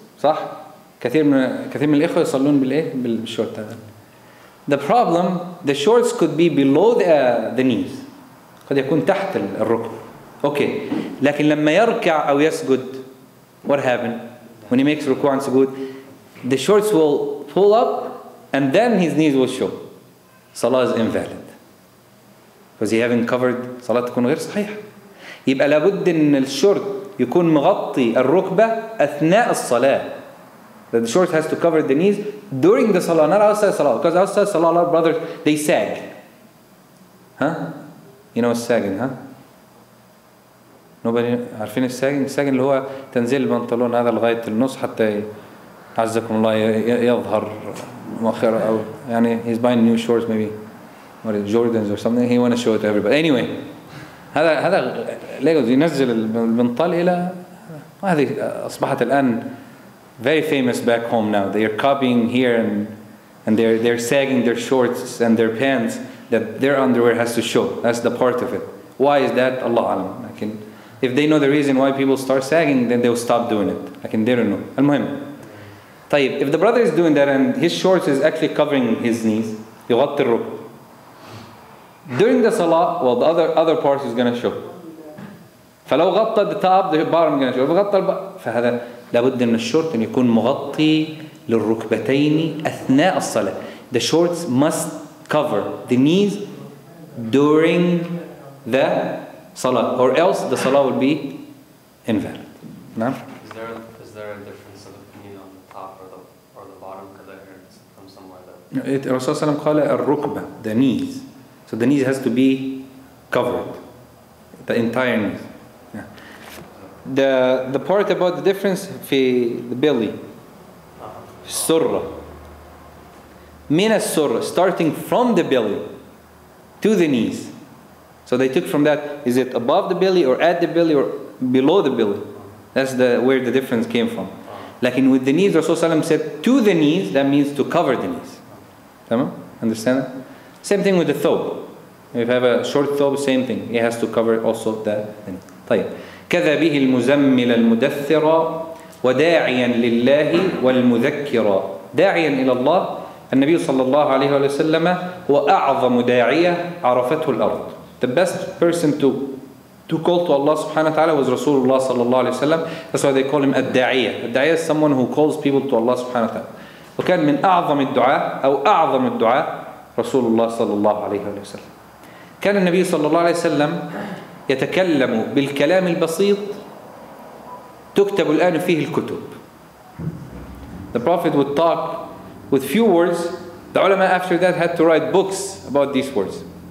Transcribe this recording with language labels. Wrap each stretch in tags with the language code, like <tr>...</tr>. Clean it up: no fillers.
<ar>صح؟ كثير من الإخوة يصلون بالإيه؟ بالشورت هذا.</ar> <en>The problem, the shorts could be below the knees.</en> <ar>قد يكون تحت الركب. Okay. لكن لما يركع أو يسجد,</ar> <en>what happened? When he makes ركوع and سجود, the shorts will pull up and then his knees will show. Salah is invalid. Because he haven't covered, Salah</en> <ar>تكون غير صحيح. يبقى لابد أن الشورت يكون مغطي الركبة أثناء الصلاة.</ar> <en>That the shorts has to cover the knees during the salah, not outside salah. Because outside salah, a lot of brothers, they sag. Huh? You know what's sagging, huh?</en> <ar>Nobody, عارفين الساجن? الساجن اللي هو تنزيل البنطلون هذا لغاية النص حتى عزكم الله يظهر مؤخرة أو يعني</ar> <en>he's buying new shorts maybe. What is Jordans or something? He want to show it to everybody. Anyway, هذا Legos,</en> <ar>ينزل البنطال إلى هذه أصبحت الآن</ar> <en>very famous back home now. They are copying here and they're sagging their shorts and their pants that their underwear has to show. That's the part of it. Why is that? Allah alam. If they know the reason why people start sagging, then they'll stop doing it. Like they don't know. المهم. طيب, if the brother is doing that and his shorts is actually covering his knees,</en> <ar>يغطي الركب.</ar> <en>During the salah, well, the other part is going to show.</en> <ar>فلو غطى</ar> <en>the top, the bottom is going to show.</en> <ar>فغطى فهذا لابد ان الشورت ان يكون مغطي للركبتين اثناء الصلاه.</ar> <en>The shorts must cover the knees during the salah or else the salah will be invalid. نعم. Is there a difference of opinion on the top or the bottom? Because I heard from somewhere that Rasulullah</en> <ar>صلى الله عليه وسلم قال الركبه,</ar> <en>the knees. So the knees has to be covered. The entire knees. The part about the difference في the belly,</en> <ar>السرة, من السرة,</ar> <en>starting from the belly to the knees. So they took from that, is it above the belly or at the belly or below the belly? That's the where the difference came from. لكن with the knees, Rasulullah said to the knees, that means to cover the knees. تمام? Understand that? Same thing with the thobe. If you have a short thobe, same thing. It has to cover also the knees. طيب.</en> <ar>كذا به المزمل المدثر وداعيا لله والمذكر داعيا إلى الله. النبي صلى الله عليه وسلم هو أعظم داعية عرفته الأرض.</ar> <en>The best person to call to Allah سبحانه وتعالى was رسول الله صلى الله عليه وسلم. That's why they call him الداعية. الداعية is someone who calls people to Allah سبحانه وتعالى.</en> <ar>وكان من أعظم الدعاء أو أعظم الدعاء رسول الله صلى الله عليه وسلم. كان النبي صلى الله عليه وسلم يتكلم بالكلام البسيط تكتب الآن فيه الكتب.</ar> <en>The Prophet would talk with few words. The ulama after that had to write books about these words.</en>